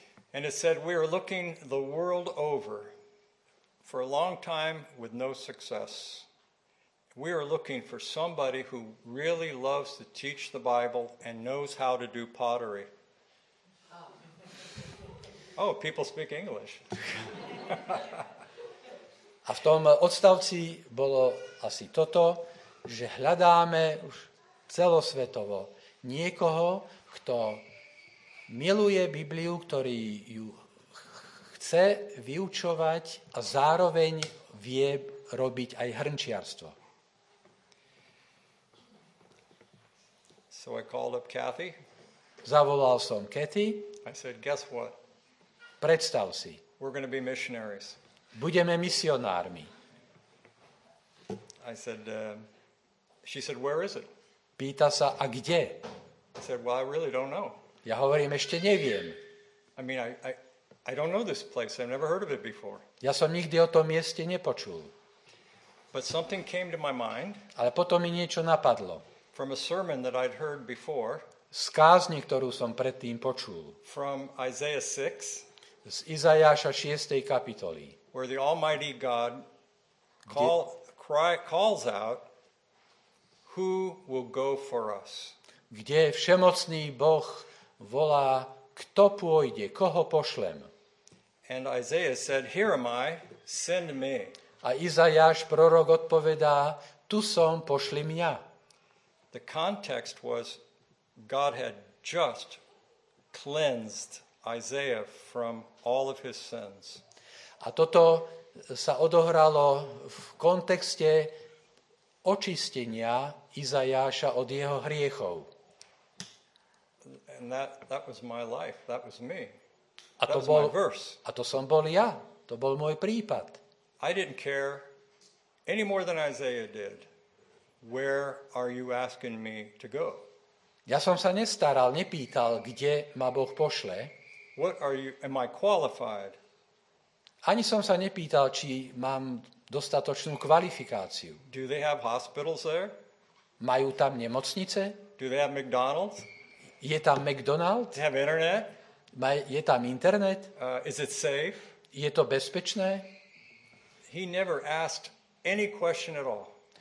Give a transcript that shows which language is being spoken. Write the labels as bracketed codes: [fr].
[en] And it said, "We are looking the world over for a long time with no success. We are looking for somebody who really loves to teach the Bible and knows how to do pottery." Oh, people speak English. [sk] A v tom odstavci bolo asi toto, že hľadáme už celosvetovo niekoho, kto miluje Bibliu, ktorý ju chce vyučovať a zároveň vie robiť aj hrnčiarstvo. [en] So I called up Kathy. [sk] Zavolal som Kathy. [en] I said, "Guess what? [sk] Predstav si. [en] We're going to be missionaries." [sk] Budeme misionármi. [en] I said, she said, "Where is it?" [sk] Pýta sa, a kde? [en] I said, "Well, I really don't know." [sk] Ja hovorím, ešte neviem. [en] I mean, I don't know this place. I've never heard of it before. [sk] Ja som nikdy o tom mieste nepočul. [en] But something came to my mind. [sk] Ale potom mi niečo napadlo. [en] From a sermon that I'd heard before. [sk] Z kázni, ktorú som predtým počul. [en] From Isaiah 6. [sk] Z Izajáša 6. kapitoly. [en] Where the Almighty God calls out, "Who will go for us?" [sk] Kde všemocný Boh volá, kto pôjde, koho pošlem. [en] And Isaiah said, "Here am I, send me." [sk] A Izajáš prorok odpovedá, tu som, pošli mňa. [en] The context was God had just cleansed Isaiah from all of his sins. [sk] A toto sa odohralo v kontexte očistenia Izajáša od jeho hriechov. [en] And that was my life, that was me. [sk] A to bol [en] my verse. [sk] A to som bol ja. To bol môj prípad. [en] I didn't care any more than Isaiah did. Where are you asking me to go? [sk] Ja som sa nestaral, nepýtal, kde ma Boh pošle. [en] What are you, am I qualified? [sk] Ani som sa nepýtal, či mám dostatočnú kvalifikáciu. [en] Do they have hospitals there? [sk] Majú tam nemocnice? [en] Do they have McDonald's? [sk] Je tam McDonald's? [en] They have internet? [sk] Je tam internet? [en] Is it safe? [sk] Je to bezpečné? [en] He never asked any question at all.